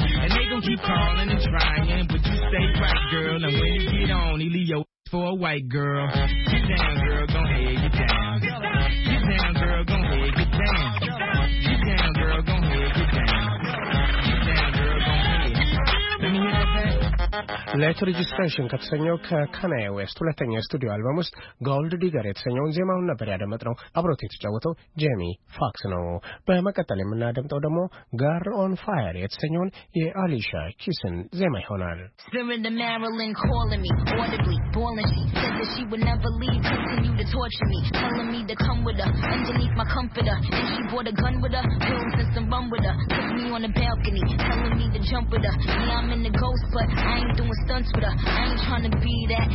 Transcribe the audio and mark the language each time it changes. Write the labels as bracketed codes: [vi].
[en] And they gon' keep calling and trying, but you stay right, girl. And when you get on, he leave your... for a white girl. Get down, girl, go ahead, get down. Get down, girl, go ahead, get down. Get down, girl, go ahead, get down. Get down, girl, go ahead. Let me hear that back. [am] Let Registration ከተሰኘው ከካናየ ዌስት ሁለተኛ ስቱዲዮ አልበም ውስጥ Gold Digger የተሰኘውን ዜማውን ነበር ያደመጥነው። አብሮት የተጫወተው ጄሚ ፎክስ ነው። በመቀጠል የምናደምጠው ደግሞ Girl on Fire የተሰኘውን የአሊሻ ኪስን ዜማ ይሆናል። [en] Spinning the Marilyn calling me audibly bawling, she said that she would never leave, continue to torture me, telling me to come with her underneath my comforter, and she brought a gun with her, pills and some rum with her, took me on the balcony telling me to jump with her. Yeah, I'm in the ghost, but I ain't doing stunts with her. I ain't trying to be that.